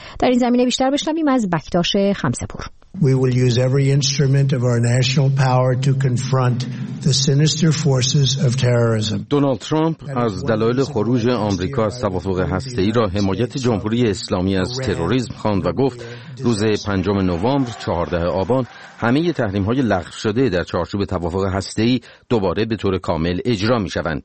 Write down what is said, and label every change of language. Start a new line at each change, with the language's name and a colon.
Persian: در این زمینه بیشتر بشنویم از بکتاش خمسه‌پور.
English: We will use every instrument of our national power to confront the sinister forces of terrorism.
Persian: دونالد ترامپ از دلایل خروج آمریکا از توافق هسته‌ای را حمایت جمهوری اسلامی از تروریسم خواند و گفت روز 5 نوامبر 14 آبان همه تحریم‌های لغو شده در چارچوب توافق هسته‌ای دوباره به طور کامل اجرا می‌شوند.